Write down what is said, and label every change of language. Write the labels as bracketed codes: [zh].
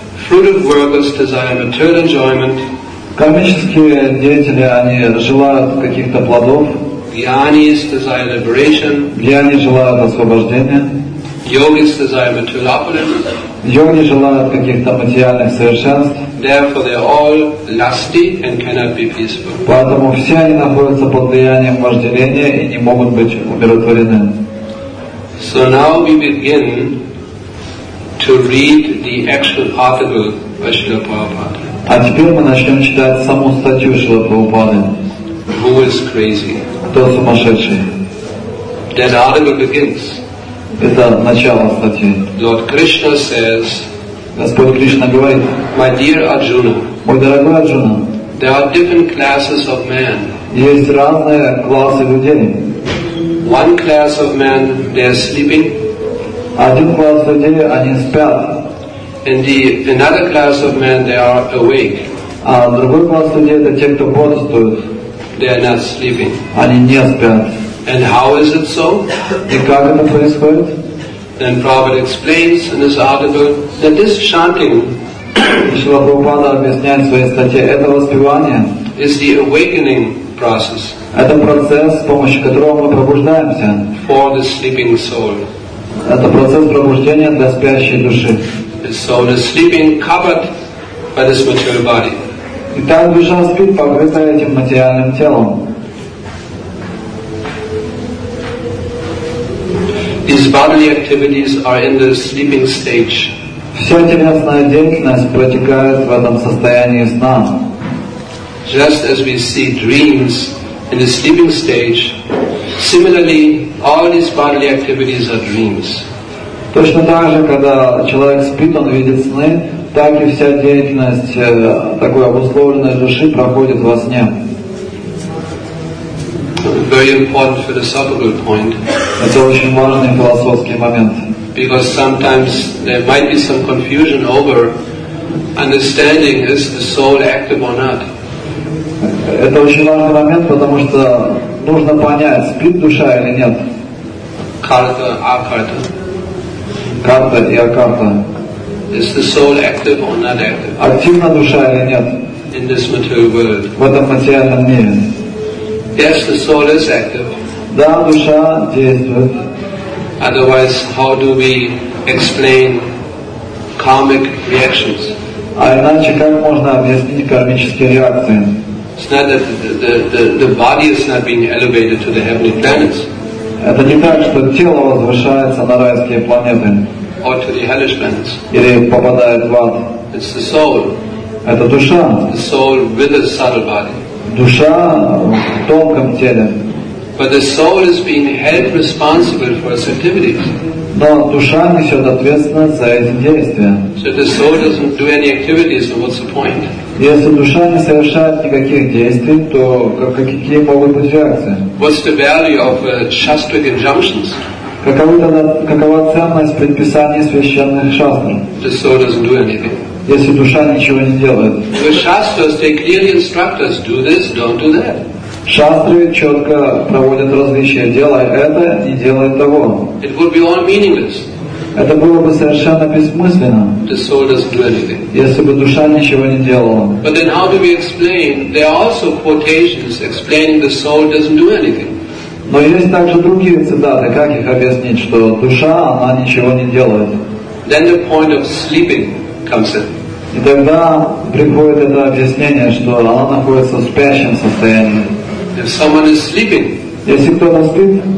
[en] Fruitful workers desire material enjoyment. [ru] Кармические деятели, они желают каких-то плодов. [en] Gyanis desire liberation. [ru] Гьяни желают освобождения. [en] Yogis desire material opulence. [ru] Йоги желают каких-то материальных совершенств. [en] Therefore, they are all lusty and cannot be peaceful. [ru] Поэтому все они находятся под влиянием вожделения и не могут быть умиротворены. [en] So now we begin to read the actual article by Srila Prabhupada. [ru] А теперь мы начнем читать саму статью Шрила Прабхупады. [en] Who is crazy? [ru] Кто сумасшедший? [en] That article begins. [ru] Это начало статьи. [en] Lord Krishna says, [ru] Господь Кришна говорит, [en] my dear Arjuna, [ru] мой дорогой Арджуна, [en] there are different classes of man. [ru] Есть разные классы людей. [en] One class of man, they are sleeping. [ru] Один класс людей, они спят. [en] And the another class of man, they are awake. [ru] А другой класс людей, это те, кто бодрствует. [en] They are not sleeping. [ru] Они не спят. [en] And how is it so? [ru] И как это происходит? [en] Then Prabhupada explains in his article that this chanting, [ru] Шрила Прабхупада объясняет в своей статье, это воспевание, [en] is the awakening process. [ru] Это процесс, с помощью которого мы пробуждаемся. [en] For the sleeping soul. [ru] Это процесс пробуждения для спящей души. [en] The soul is sleeping, covered by this material body. [ru] И так душа спит, покрытая этим материальным телом. [en] These bodily activities are in the sleeping stage. [ru] Вся телесная деятельность протекает в этом состоянии сна. [en] Just as we see dreams in the sleeping stage, similarly, all these bodily activities are dreams. [ru] Точно так же, когда человек спит, он видит сны, так и вся деятельность такой обусловленной души проходит во сне. [en] Very important philosophical point. [ru] Это очень важный философский момент. [en] Because sometimes there might be some confusion over understanding, is the soul active or not? [ru] Это очень важный момент, потому что нужно понять, спит душа или нет. Карта, акарта. Карта и акарта. [en] Is the soul active or not active? [ru] Активна душа или нет? [en] In this material world. [ru] В этом материальном мире. [en] Yes, the soul is active. [ru] Да, душа действует. [en] Otherwise, how do we explain karmic reactions? [ru] А иначе как можно объяснить кармические реакции? [en] It's not that the body is not being elevated to the heavenly planets. [ru] Это не так, что тело возвышается на райские планеты. [en] Or to the hellish planets. [ru] Или попадает в ад. [en] It's the soul. [ru] Это душа. [en] The soul with a subtle body. [ru] Душа в тонком теле. [en] But the soul is being held responsible for its activities. [ru] Но душа несет ответственность за эти действия. [en] So if the soul doesn't do any activities, then what's the point? [ru] Если душа не совершает никаких действий, то какие могут быть реакции? [en] What's the value of shastric injunctions? [ru] Какова ценность предписаний священных шастр? [en] The soul doesn't do anything. [ru] Если душа ничего не делает. [en] The shastras, they clearly instruct us, do this, don't do that. [ru] Шастры четко проводят различия, делай это и делай того. [en] It would be all meaningless. [ru] Это было бы совершенно бессмысленно. [en] The soul doesn't do anything. [ru] Если бы душа ничего не делала. [en] But then how do we explain? There are also quotations explaining the soul doesn't do anything. [ru] Но есть также другие цитаты, как их объяснить, что душа, она ничего не делает. [en] Then the point of sleeping. [ru] И тогда приходит это объяснение, что она находится в спящем состоянии. [en] If someone is sleeping, [ru] если кто-то спит,